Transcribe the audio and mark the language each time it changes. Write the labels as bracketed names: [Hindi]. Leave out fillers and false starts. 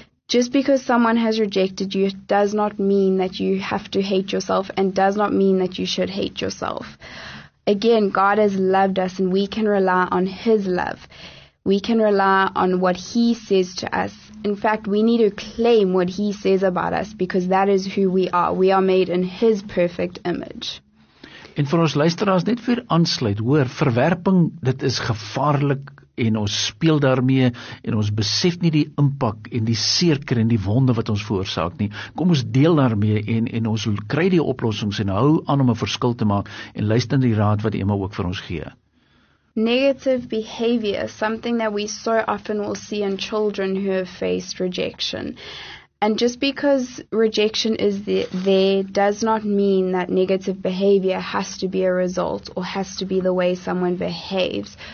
[English] Just because someone has rejected you does not mean that you have to hate yourself and does not mean that you should hate yourself. Again, God has loved us and we can rely on His love. We can rely on what He says to us. In fact, we need to claim what He says about us because that is who we are. We are made in His perfect image. [Afrikaans] En vir ons luisteraars net vir aansluit, hoor, verwerping, dit is gevaarlik en ons speel daarmee en ons besef nie die impak en die seerker en die wonde wat ons veroorsaak nie. Kom ons deel daarmee en ons kry die oplossings en hou aan om 'n verskil te maak en luister na die raad wat Emma ook vir ons gee. [English] Negative behavior, something that we so often will see in children who have faced rejection. And just because rejection is there does not mean that negative behavior has to be a result or has to be the way someone behaves.